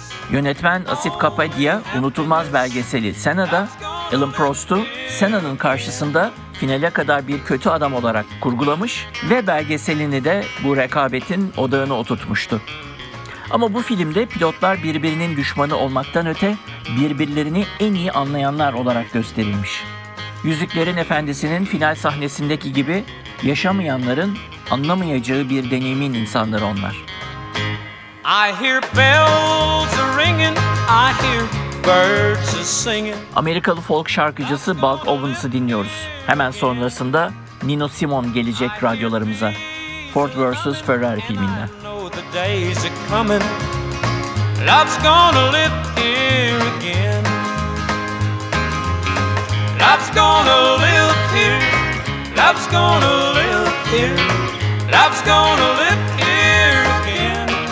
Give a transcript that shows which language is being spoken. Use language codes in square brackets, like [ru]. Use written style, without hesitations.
[tr] Yönetmen Asif Kapadia, unutulmaz belgeseli Senna'da, Alan Prost'u Senna'nın karşısında finale kadar bir kötü adam olarak kurgulamış ve belgeselini de bu rekabetin odağına oturtmuştu. Ama bu filmde pilotlar birbirinin düşmanı olmaktan öte birbirlerini en iyi anlayanlar olarak gösterilmiş. Yüzüklerin Efendisi'nin final sahnesindeki gibi yaşamayanların anlamayacağı bir deneyimin insanları onlar. [en] I hear bells ringing, I hear birds singing. [tr] Amerikalı folk şarkıcısı Buck Owens'ı dinliyoruz. Hemen sonrasında Nino Simone gelecek radyolarımıza. Ford vs. Ferrari filminden. [en] Days are coming, love's gonna live here again. Love's gonna live here, love's gonna live here, love's gonna live here again.